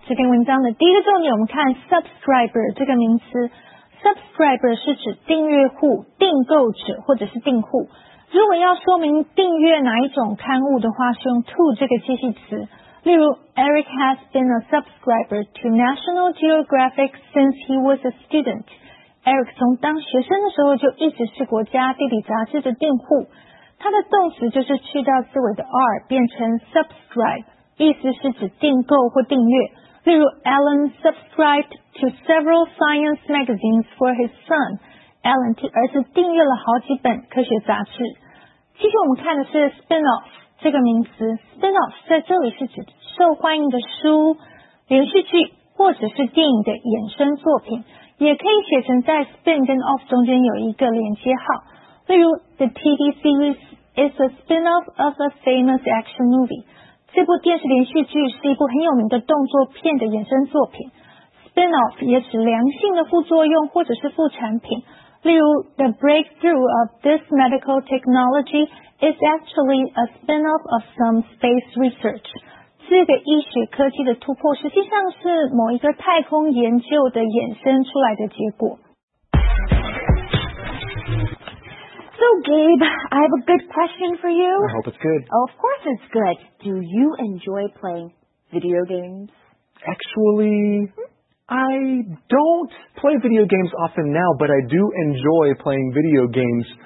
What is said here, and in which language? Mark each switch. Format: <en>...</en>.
<zh>这篇文章的第一个重点，我们看 subscriber 这个名词。 Subscriber 是指订阅户、订购者或者是订户。如果要说明订阅哪一种刊物的话，是用 to 这个介系词。例如</zh> <en>，Eric has been a subscriber to National Geographic since he was a student。</en> <zh>Eric 从当学生的时候就一直是国家地理杂志的订户。它的动词就是去掉字尾的 r， 变成 subscribe， 意思是指订购或订阅。例如</zh> <en>，Alan subscribed to several science magazines for his son。</en> <zh>Alan 替儿子订阅了好几本科学杂志。接着我们看的是 spin-off 这个名词。 spin-off 在这里是指受欢迎的书、连续剧或者是电影的衍生作品，也可以写成在 spin 跟 off 中间有一个连接号。例如</zh> <en>，The TV series is a spin-off of a famous action movie。</en> <zh>这部电视连续剧是一部很有名的动作片的衍生作品。 spin-off 也指良性的副作用或者是副产品。例如</zh> <en>,The breakthrough of this medical technology is actually a spin-off of some space research.</en> <zh>这个医学科技的突破实际上是某一个太空研究的衍生出来的结果。</zh> <en>So Gabe, I have a good question for you. I hope it's good. Oh, of course it's good. Do you enjoy playing video games? Actually... I don't play video games often now, but I do enjoy playing video games.</en>